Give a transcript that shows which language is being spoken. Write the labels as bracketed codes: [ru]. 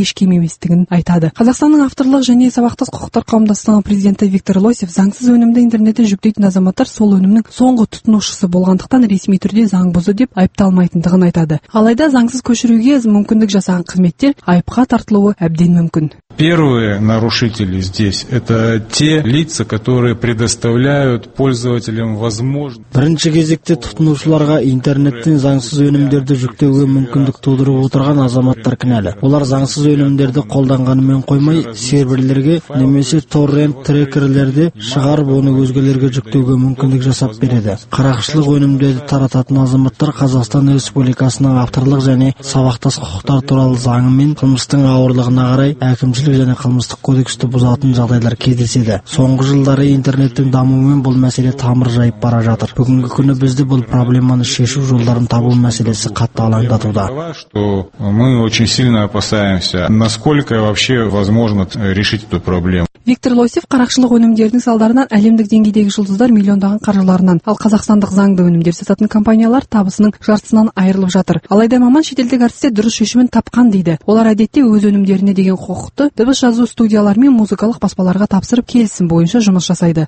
[kk] еш кем еместігін айтады. Қазақстанның авторлық және сабақтас құқықтар қауымдастығының президенті Виктор Лосев заңсыз өнімді интернеттен жүктейтін азаматтар сол өнімнің соңғы тұтынушысы болғандықтан ресми түрде заң бұзды деп айыпталмайтындығын айтады. Алайда заңсыз көшіруге мүмкіндік жасаған қызметтер айыпқа тартылуы әбден мүмкін. [ru] Первые нарушители здесь это те лица, которые предоставляют пользователям возможность. [kk] Бірінші кезекте тұтынушыларға интернеттен заңсыз өнімдерді жүктеуге мүмкіндік тудырып отырған азаматтар кінәлі. Олар заңсыз өнімдерді қолданғанымен қоймай, серверлерге немесе торрент трекерлерді шығарып, оны өзгелерге жүктеуге мүмкіндік жасап береді. Қарақшылық өнімдерді тарататын азаматтар Қазақстан Республикасының авторлық және сабақтас құқықтар туралы заңымен қылмыстың ауырлығына қарай әкімшілік және қылмыстық кодексті бұзатын жағдайлар кездеседі. Соңғы жылдары интернеттің дамуымен бұл мәселе тамыр жайып бара жатыр. Бүгінгі күні бізді бұл проблеманы шешу жолдарын табу мәселесі қатты алаңдатуда. [ru] Мы очень сильно опасаемся, насколько вообще возможно решить эту проблему. [kk] Виктор Лосев қарақшылық өнімдерінің салдарынан әлемдік деңгейдегі жұлдыздар миллиондаған қаржыларынан, ал қазақстандық заңды өнімдер сататын компаниялар табысының жартысынан айырылып жатыр. Алайда маман шетелдік әртістер дұрыс шешімін тапқан дейді. Олар әдетте өз өнімдеріне деген құқықты дыбыс жазу студиялар мен музыкалық баспаларға тапсырып келісім бойынша жұмыс жасайды.